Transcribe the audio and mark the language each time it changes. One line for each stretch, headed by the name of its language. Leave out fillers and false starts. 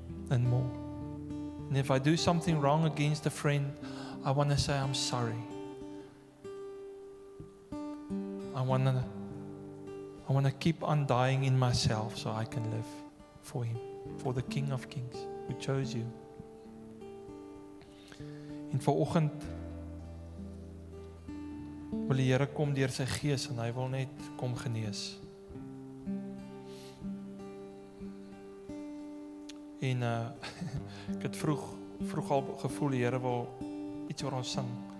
English: And more. And if I do something wrong against a friend, I want to say I'm sorry. I want to keep on dying in myself so I can live for Him, for the King of Kings who chose you.
Afrikaans: En vanoggend wil die Here kom deur sy gees en hy wil net kom genees. En ek het vroeg al gevoel die Here wil iets oor ons sing.